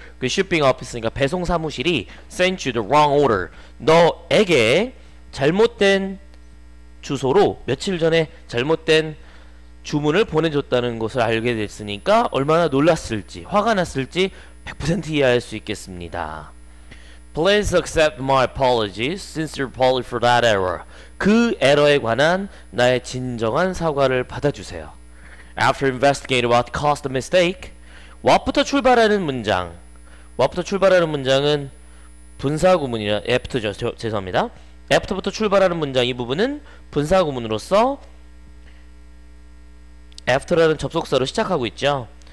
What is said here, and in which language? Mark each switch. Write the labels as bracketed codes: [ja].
[en] 그 shipping office니까 [ko] 배송 사무실이 [en] sent you the wrong order. [ko] 너에게 잘못된 주소로 며칠 전에 잘못된 주문을 보내줬다는 것을 알게 됐으니까 얼마나 놀랐을지, 화가 났을지 100% 이해할 수 있겠습니다. [en] Please accept my apology, sincere apology for that error. [ko] 그 에러에 관한 나의 진정한 사과를 받아주세요. [en] After investigating what caused the mistake, [ko] what부터 출발하는 문장. what부터 출발하는 문장은 분사구문이라, after죠. 죄송합니다. after부터 출발하는 문장 이 부분은 분사구문으로서 after라는 접속사로 시작하고 있죠.